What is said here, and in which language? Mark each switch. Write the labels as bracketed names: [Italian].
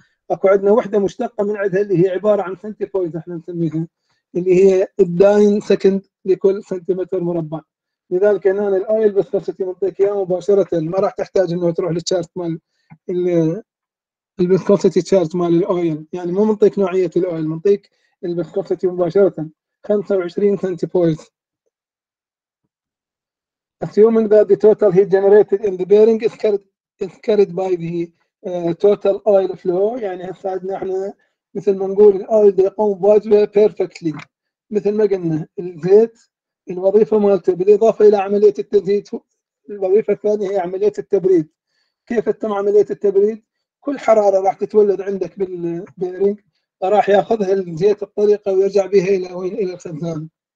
[Arabic] اكو عندنا وحده مشتقه من عندها اللي هي عباره عن سنتيبويد احنا نسميها اللي هي الداين سكند لكل سنتيمتر مربع. لذلك هنا الايل فيسكوسيتي منطيك اياها مباشره ما راح تحتاج انه تروح للشارت مال الفيسكوسيتي تشارت مال الايل. يعني مو منطيك نوعيه الايل منطيك الفيسكوسيتي مباشره 25 سنتيبويد. [English] Assuming that the total heat generated in the bearing is carried by the total oil flow. [Arabic] يعني هساعدنا احنا مثل ما نقول الاويل يقوم بواجبه perfectly. مثل ما قلنا الزيت الوظيفة مالته بالإضافة إلى عملية التزييت الوظيفة الثانية هي عملية التبريد. كيف تتم عملية التبريد؟ كل حرارة راح تتولد عندك بالبيرنج راح يأخذها الزيت الطريقة ويرجع بها إلى وين؟ إلى الخزان.